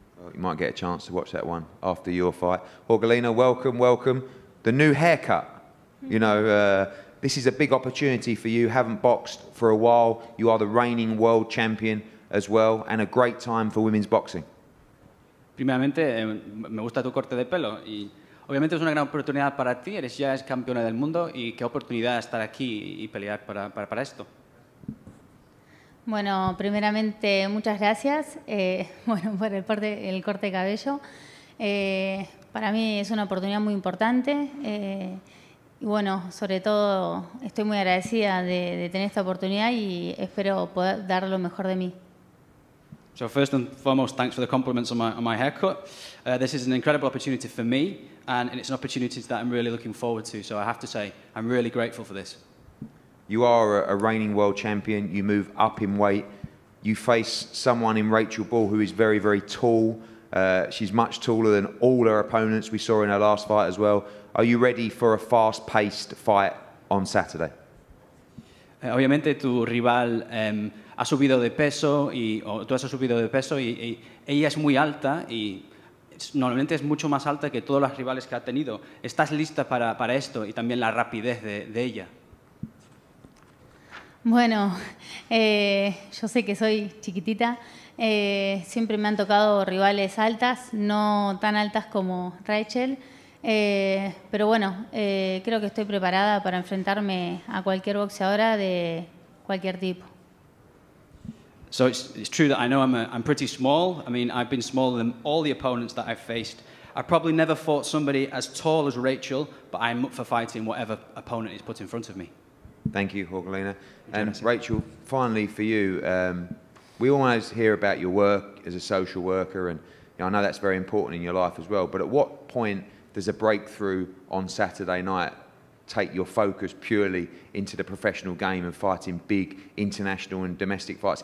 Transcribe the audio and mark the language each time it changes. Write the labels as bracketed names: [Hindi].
[English] Well, you might get a chance to watch that one after your fight. Jorgelina, welcome. The new haircut. You know, this is a big opportunity for you. Haven't boxed for a while. You are the reigning world champion as well, and a great time for women's boxing. [Spanish] Primeramente, me gusta tu corte de pelo. Y obviamente es una gran oportunidad para ti. Eres ya campeona del mundo, y qué oportunidad estar aquí y pelear para esto. Bueno, primeramente, muchas gracias por el corte de cabello. Para mí es una oportunidad muy importante. Y bueno, sobre todo, estoy muy agradecida de tener esta oportunidad y espero poder dar lo mejor de mí. [English] So first and foremost, thanks for the compliments on my haircut. This is an incredible opportunity for me, and it's an opportunity that I'm really looking forward to. So I have to say, I'm really grateful for this. You are a reigning world champion. You move up in weight. You face someone in Rachel Ball who is very, very tall She's much taller than all her opponents we saw in her last fight as well. Are you ready for a fast-paced fight on Saturday? [Spanish] Obviamente tu rival ha subido de peso y tú has subido de peso y ella es muy alta y normalmente es mucho más alta que todas las rivales que ha tenido. ¿Estás lista para esto y también la rapidez de ella? Bueno, yo sé que soy chiquitita. Siempre me han tocado rivales altas, no tan altas como Rachel. Pero bueno, creo que estoy preparada para enfrentarme a cualquier boxeadora de cualquier tipo. [English] So it's true that I know I'm pretty small. I mean, I've been smaller than all the opponents that I've faced. I probably never fought somebody as tall as Rachel, but I'm up for fighting whatever opponent is put in front of me. Thank you, Jorgelina. And Rachel, finally for you, we always hear about your work as a social worker, and you know, I know that's very important in your life as well, but at what point does a breakthrough on Saturday night take your focus purely into the professional game and fighting big international and domestic fights?